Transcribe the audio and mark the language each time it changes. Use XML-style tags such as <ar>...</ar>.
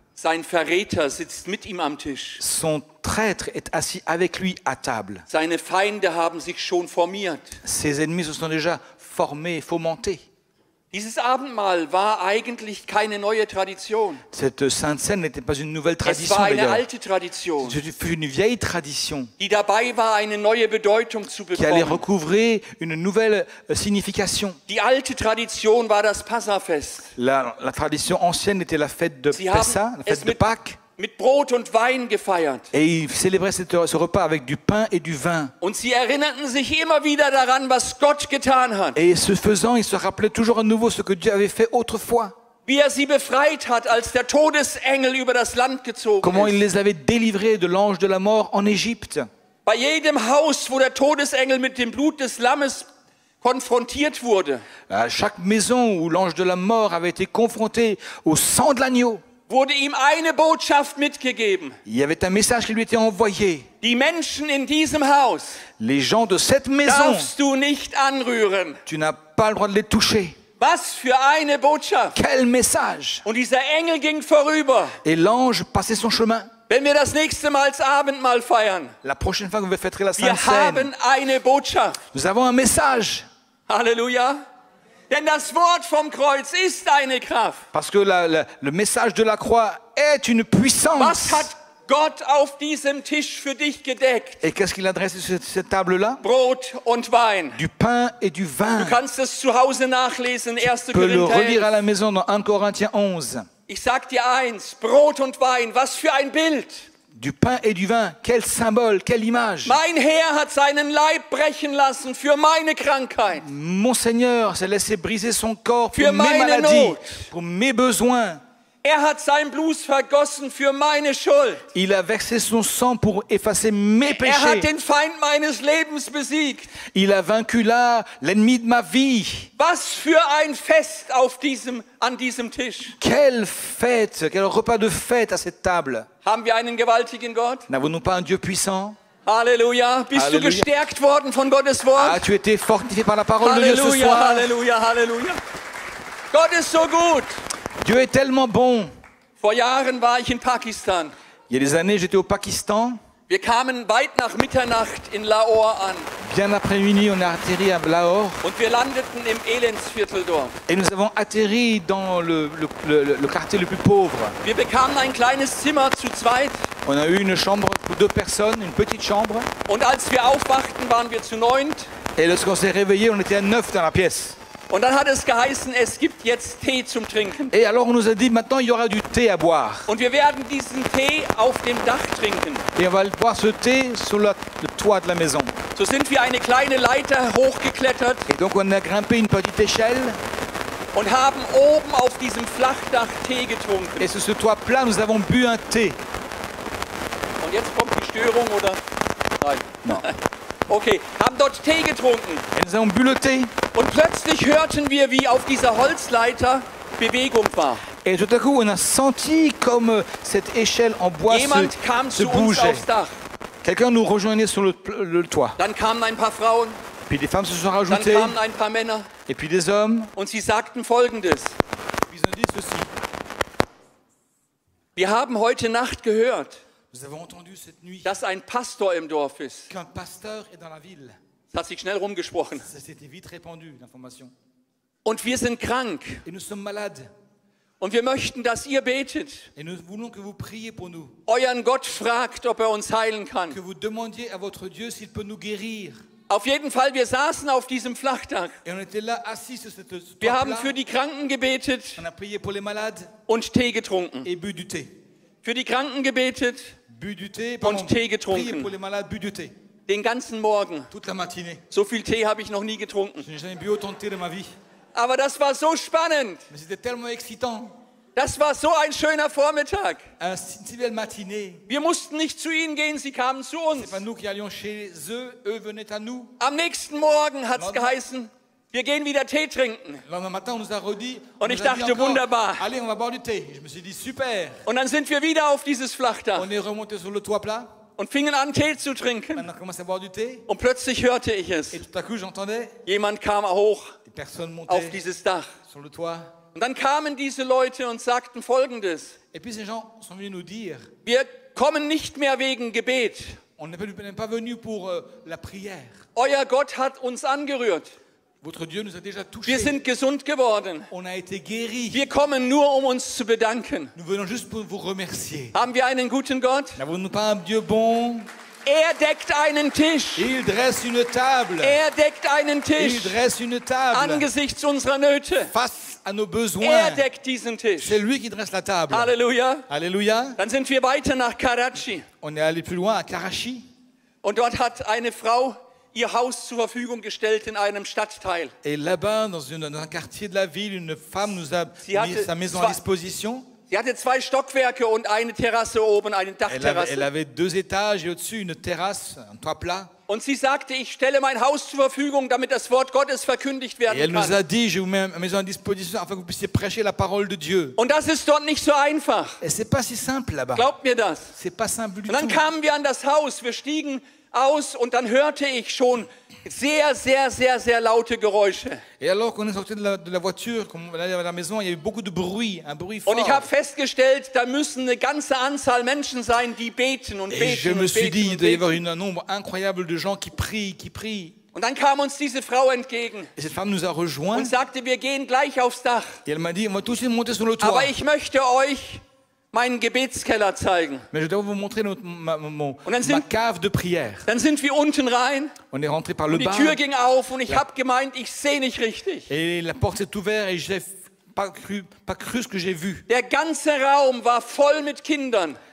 <de>Sein Verräter sitzt mit ihm am Tisch.</de> <fr>Son traître est assis avec lui à table.</fr> <de>Seine Feinde haben sich schon formiert.</de> <fr>Ses ennemis se sont déjà formés, fomentés.</fr> <de>Dieses Abendmahl war eigentlich keine neue Tradition.</de> <fr>Cette Sainte Cène n'était pas une nouvelle tradition.</fr> <de>Es war eine alte Tradition.</de> <fr>Ce fut une vieille tradition.</fr> <de>Die dabei war eine neue Bedeutung zu bekommen.</de> <fr>Qui allait recouvrir une nouvelle signification.</fr> <de>Die alte Tradition war das Passafest.</de> <fr>La tradition ancienne était la fête de Pessa, la fête de Pâques.</fr> <de>mit Brot und Wein gefeiert.</de> <fr>Et ils célébraient ce repas avec du pain et du vin.</fr> <de>Und sie erinnerten sich immer wieder daran, was Gott getan hat.</de> <fr>Et ce faisant, ils se rappelaient toujours à nouveau ce que Dieu avait fait autrefois.</fr> <de>Wie er sie befreit hat, als der Todesengel über das Land gezogen</de> <fr>comment</fr> <de>ist.</de> <fr>Il les avait délivrés de l'ange de la mort en Égypte.</fr> <de>Bei jedem Haus, wo der Todesengel mit dem Blut des Lammes konfrontiert wurde.</de> <fr>À chaque maison où l'ange de la mort avait été confronté au sang de l'agneau.</fr> <de>Wurde ihm eine Botschaft mitgegeben.</de> <fr>Il y avait un message qui lui était envoyé.</fr> <de>Die Menschen in diesem Haus.</de> <fr>Les gens de cette maison.</fr> <de>Darfst du nicht anrühren.</de> <fr>Tu n'as pas le droit de les toucher.</fr> <de>Was für eine Botschaft.</de> <fr>Quel message.</fr> <de>Und dieser Engel ging vorüber.</de> <fr>Et l'ange passait son chemin.</fr> <de>Wenn wir das nächste Mal das Abendmahl feiern.</de> <fr>La prochaine fois que vous fêterez la Sainte Cène.</fr> <de>Wir haben eine Botschaft.</de> <fr>Nous avons un message.</fr> <de>Halleluja. Denn das Wort vom Kreuz ist eine Kraft.</de> <fr>Parce que le message de la croix est une puissance.</fr> <de>Was hat Gott auf diesem Tisch für dich gedeckt?</de> <fr>Et qu'est-ce qu'il a dressé sur cette table-là?</fr> <de>Brot und Wein.</de> <fr>Du pain et du vin.</fr> <de>Du kannst es zu Hause nachlesen, 1.</de> <fr>Korinther 11. Tu peux le relire à la maison dans 1 Corinthiens 11.</fr> <de>Ich sag dir eins, Brot und Wein, was für ein Bild.</de> <fr>Du pain et du vin, quel symbole, quelle image.</fr> <de>Mein Herr hat seinen Leib brechen lassen für meine Krankheit.</de> <fr>Mon Seigneur s'est laissé briser son corps pour mes maladies, pour mes besoins.</fr> <de>Er hat sein Blut vergossen für meine Schuld.</de> <fr>Il a versé son sang pour effacer mes péchés.</fr> <de>Er hat den Feind meines Lebens besiegt.</de> <fr>Il a vaincu là l'ennemi de ma vie.</fr> <de>Was für ein Fest auf diesem an diesem Tisch.</de> <fr>Quelle fête, quel repas de fête à cette table.</fr> <de>Haben wir einen gewaltigen Gott?</de> <fr>N'avons-nous pas un Dieu puissant?</fr> <de>Halleluja, bist Halleluja. Du gestärkt worden von Gottes Wort?</de> <fr>As-tu été fortifié par la parole de Dieu ce soir?</fr> <de>Halleluja, Halleluja. Gott ist so gut.</de> <fr>Dieu est tellement bon.</fr> <de>Vor Jahren war ich in Pakistan.</de> <fr>Il y a des années, j'étais au Pakistan.</fr> <de>Wir kamen weit nach Mitternacht in Lahore an.</de> <fr>Bien après minuit, on a atterri à Lahore.</fr> <de>Und wir landeten im Elendsviertel dort.</de> <fr>Et nous avons atterri dans le quartier le plus pauvre.</fr> <de>Wir bekamen ein kleines Zimmer zu zweit.</de> <fr>On a eu une chambre pour deux personnes, une petite chambre.</fr> <de>Und als wir aufwachten, waren wir zu neunt.</de> <fr>Et lorsqu'on s'est réveillé, on était à neuf dans la pièce.</fr> <de>Und dann hat es geheißen, es gibt jetzt Tee zum Trinken.</de> <fr>Et alors on nous a dit, maintenant il y aura du thé à boire.</fr> <de>Und wir werden diesen Tee auf dem Dach trinken.</de> <fr>Et on va boire ce thé sur le toit de la maison.</fr> <de>So sind wir eine kleine Leiter hochgeklettert.</de> <fr>Et donc on a grimpé une petite échelle.</fr> <de>Und haben oben auf diesem Flachdach Tee getrunken.</de> <fr>Et sur ce toit plat, nous avons bu un thé.</fr> <de>Und jetzt kommt die Störung, oder? Nein.</de> <fr>Non.</fr> <de>Okay, haben dort Tee getrunken.</de> <fr>Nous avons bu le thé.</fr> <de>Und plötzlich hörten wir, wie auf dieser Holzleiter Bewegung war.</de> <fr>Et tout à coup, on a senti comme cette échelle en bois</fr> <de>jemand kam</de> <fr>se</fr> <de>zu uns aufs Dach.</de> <fr>Quelqu'un nous rejoignait sur le toit.</fr> <de>Dann kamen ein paar Frauen.</de> <fr>Puis des femmes se sont rajoutées.</fr> <de>Dann kamen ein paar Männer.</de> <fr>Et puis des hommes.</fr> <de>Und sie sagten Folgendes.</de> <fr>Ils ont dit ceci.</fr> <de>Wir haben heute Nacht gehört.</de> <fr>Vous avez entendu cette nuit,</fr> <de>dass ein Pastor im Dorf ist.</de> <fr>Qu'un pasteur est dans la ville.</fr> <de>Das hat sich schnell rumgesprochen.</de> <fr>Ça s'était vite répandu, l'information.</fr> <de>Und wir sind krank.</de> <fr>Et nous sommes malades.</fr> <de>Und wir möchten, dass ihr betet.</de> <fr>Et nous voulons que vous priez pour nous.</fr> <de>Euren Gott fragt, ob er uns heilen kann.</de> <fr>Que vous demandiez à votre Dieu s'il peut nous guérir.</fr> <de>Auf jeden Fall, wir saßen auf diesem Flachdach.</de> <fr>Et on était là, assis sur cette wir plan.</fr> <de>Haben für die Kranken gebetet.</de> <fr>On a prié pour les malades.</fr> <de>Und Tee getrunken.</de> <fr>Et bu du thé.</fr> <de>Für die Kranken gebetet.</de> <fr>Bu du thé,</fr> <de>und Tee getrunken.</de> <fr>Pour les malades, bu du thé.</fr> <de>Den ganzen Morgen.</de> <fr>Toute la matinée.</fr> <de>So viel Tee habe ich noch nie getrunken.</de> <fr>Je n'ai jamais bu autant de thé de ma vie.</fr> <de>Aber das war so spannend.</de> <fr>Mais c'était tellement excitant.</fr> <de>Das war so ein schöner Vormittag.</de> <fr>Si belle matinée.</fr> <de>Wir mussten nicht zu ihnen gehen, sie kamen zu uns.</de> <fr>C'est pas nous qui allions chez eux, eux venaient à nous.</fr> <de>Am nächsten Morgen hat es geheißen, wir gehen wieder Tee trinken.</de> <fr>Matin, on nous a redit,</fr> <de>und ich dachte,</de> <fr>encore,</fr> <de>wunderbar.</de> <fr>Allez, on va boire du thé. Je me suis dit, super.</fr> <de>Und dann sind wir wieder auf dieses Flachdach.</de> <fr>On est remonté sur le toit plat.</fr> <de>Und fingen an, Tee zu trinken.</de> <fr>On a commencé à boire du thé.</fr> <de>Und plötzlich hörte ich es.</de> <fr>Et tout à coup, j'entendais,</fr> <de>jemand kam hoch die Personen</de> <fr>montaient</fr> <de>auf dieses Dach.</de> <fr>Sur le toit.</fr> <de>Und dann kamen diese Leute und sagten Folgendes.</de> <fr>Et puis ces gens sont venus nous dire,</fr> <de>wir kommen nicht mehr wegen Gebet.</de> <fr>On n'est pas venu pour la prière.</fr> <de>Euer Gott hat uns angerührt.</de> <fr>Votre Dieu nous a déjà touché.</fr> <de>Wir sind gesund geworden.</de> <fr>On a été guéri.</fr> <de>Wir kommen nur, um uns zu bedanken.</de> <fr>Nous venons juste pour vous remercier.</fr> <de>Haben wir einen guten Gott?</de> <fr>N'avons-nous pas un Dieu bon?</fr> <de>Er deckt einen Tisch.</de> <fr>Il dresse une table.</fr> <de>Er deckt einen Tisch.</de> <fr>Il dresse une table.</fr> <de>Angesichts unserer Nöte.</de> <fr>Face à nos besoins.</fr> <de>Er deckt diesen Tisch.</de> <fr>C'est lui qui dresse la table.</fr> <de>Halleluja.</de> <fr>Halleluja.</fr> <de>Dann sind wir weiter nach Karachi.</de> <fr>On est allé plus loin à Karachi.</fr> <de>Und dort hat eine Frau ihr Haus zur Verfügung gestellt in einem Stadtteil.</de> <fr>Et là-bas, dans un quartier de la ville, une femme nous a mis sa maison à disposition.</fr> <de>Sie hatte zwei Stockwerke und eine Terrasse oben, eine Dachterrasse.</de> <fr>Elle avait deux étages et au-dessus une terrasse, un toit plat.</fr> <de>Und sie sagte, ich stelle mein Haus zur Verfügung, damit das Wort Gottes verkündigt werden kann.</de> <fr>Et elle nous a dit, je vous mets ma maison à disposition afin que vous puissiez prêcher la parole de Dieu.</fr> <de>Und das ist dort nicht so einfach.</de> <fr>Et c'est pas si simple là-bas.</fr> <de>Glaubt mir das.</de> <fr>C'est pas simple du tout.</fr> <de>Und dann kamen wir an das Haus, wir stiegen aus und dann hörte ich schon sehr, sehr, sehr, sehr laute Geräusche.</de> <fr>Et alors qu'on est sorti de la voiture, comme on allait à la maison, il y a eu beaucoup de bruit, un bruit fort.</fr> <de>Und ich habe festgestellt, da müssen eine ganze Anzahl Menschen sein, die beten und beten.</de> <fr>Et je me suis dit, il doit y avoir un nombre incroyable de gens qui prient, qui prient.</fr> <de>Und dann kam uns diese Frau entgegen.</de> <fr>Et cette femme nous a rejoint.</fr> <de>Und sagte, wir gehen gleich aufs Dach.</de> <fr>Et elle m'a dit, on va tout de suite monter sur le toit.</fr> <de>Aber ich möchte euch meinen Gebetskeller zeigen.</de> <fr>Mais je dois vous montrer ma cave de prière.</fr> <de>Dann sind wir unten rein.</de> <fr>On est rentré par le bas.</fr> <de>Die Tür ging auf und ich habe gemeint, ich sehe nicht richtig.</de> <fr>Et la porte est ouverte et j'ai pas cru ce que j'ai vu.</fr> <de>Der ganze Raum war voll mit Kindern.</de>